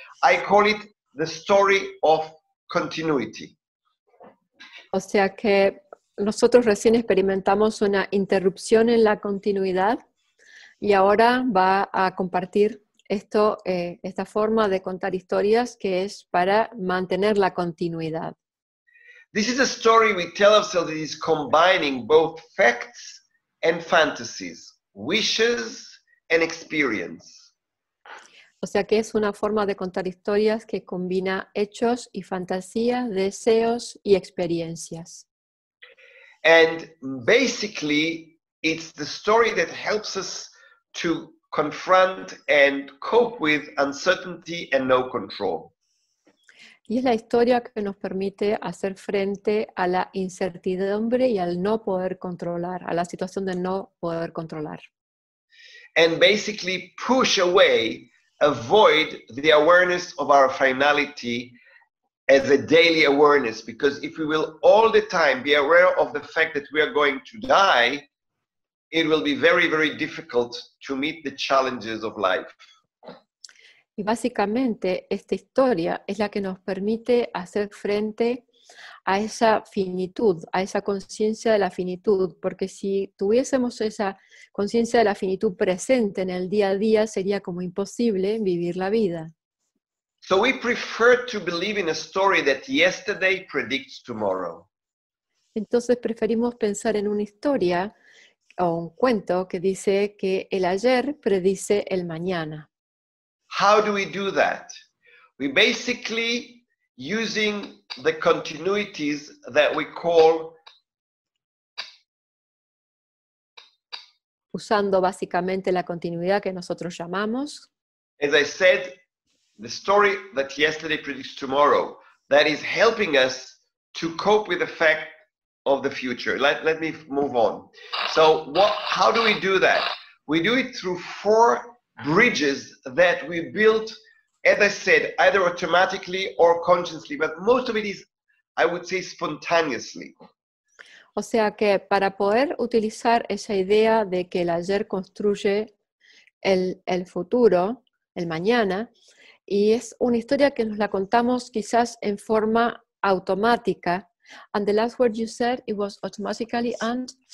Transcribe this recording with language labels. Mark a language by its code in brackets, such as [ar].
[en] I call it the story of continuity. [es] O sea que nosotros recién experimentamos una interrupción en la continuidad, y ahora va a compartir esto, esta forma de contar historias, que es para mantener la continuidad. [en] This is a story we tell ourselves that is combining both facts and fantasies, wishes and experience. [es] O sea que es una forma de contar historias que combina hechos y fantasías, deseos y experiencias. [en] And basically, it's the story that helps us to confront and cope with uncertainty and no control. [es] Y es la historia que nos permite hacer frente a la incertidumbre y al no poder controlar, a la situación de no poder controlar. [en] And basically push away, avoid the awareness of our finality as a daily awareness, because if we will all the time be aware of the fact that we are going to die, it will be very, very difficult to meet the challenges of life. [es] Y básicamente, esta historia es la que nos permite hacer frente a esa finitud, a esa conciencia de la finitud, porque si tuviésemos esa conciencia de la finitud presente en el día a día, sería como imposible vivir la vida. [en] So we prefer to believe in a story that yesterday predicts tomorrow. [es] Entonces preferimos pensar en una historia o un cuento que dice que el ayer predice el mañana. [en] How do we do that? We basically using the continuities that we call, [es] usando básicamente la continuidad que nosotros llamamos, [en] as I said, the story that yesterday predicts tomorrow, that is helping us to cope with the fact of the future. Let me move on. So how do we do that? We do it through four bridges that we built, as I said, either automatically or consciously, but most of it is, I would say, spontaneously. [es] O sea que para poder utilizar esa idea de que el ayer construye el futuro, el mañana, y es una historia que nos la contamos quizás en forma automática. [en] And the last word you said, it was automatically and